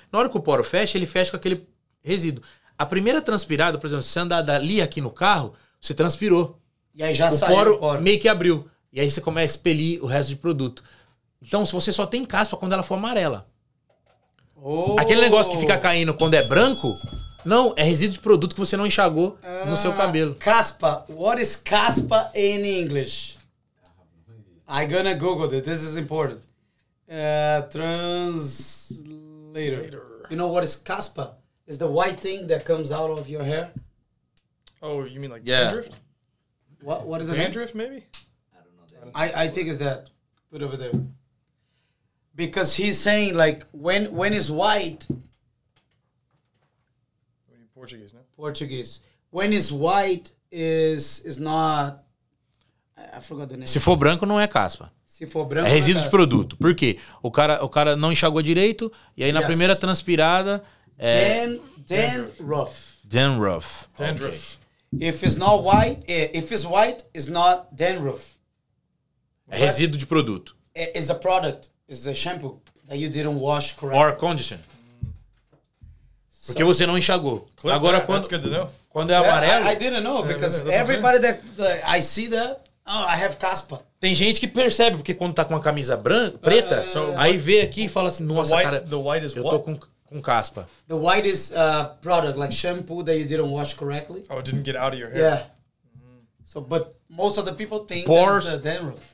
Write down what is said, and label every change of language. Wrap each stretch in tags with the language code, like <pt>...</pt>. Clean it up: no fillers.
<pt>Na hora que o poro fecha, ele fecha com aquele resíduo. A primeira transpirada, por exemplo, se você andar dali aqui no carro, você transpirou. E aí já o saiu poro, o poro. Meio que abriu. E aí você começa a expelir o resto de produto. Então, se você só tem caspa quando ela for amarela. Aquele negócio que fica caindo quando é branco, não, é resíduo de produto que você não enxagou no seu cabelo. Caspa.</pt> <en>What is caspa in English? I'm gonna Google it. This is important. Translator. You know what is caspa? It's the white thing that comes out of your hair. Oh, you mean like dandruff? What is it? Dandruff, maybe? I don't know. I think it's that. Put it over there. Because he's saying, like, when is white... Portuguese, no? Portuguese. When is white is not... I forgot the name.</en> <pt>Se for branco, não é caspa. Se for branco, é resíduo de produto. Por quê? O cara não enxagou direito, e aí na primeira transpirada...</pt> <en>Dandruff. Dandruff. Dandruff. Okay. If it's white, it's not dandruff.</en> <pt>É resíduo de produto.</pt> <en>It's a product. It's a shampoo that you didn't wash correctly. Or condition.</en> <pt>Porque você não enxagou. Clip agora, quando é amarelo...</pt> <en>I didn't know, because everybody that I see that... Oh, I have caspa.</en> <pt>Tem gente que percebe, porque quando tá com uma camisa branca, preta, aí vê aqui e fala assim, nossa,</pt> <en>white,</en> <pt>cara,</pt> <en>the white is</en> <pt>eu</pt> <en>what?</en> <pt>Tô com caspa.</pt> <en>The white is a product, like shampoo that you didn't wash correctly. Oh, it didn't get out of your hair. Yeah. So, but most of the people think pores, that's the dandruff.</en>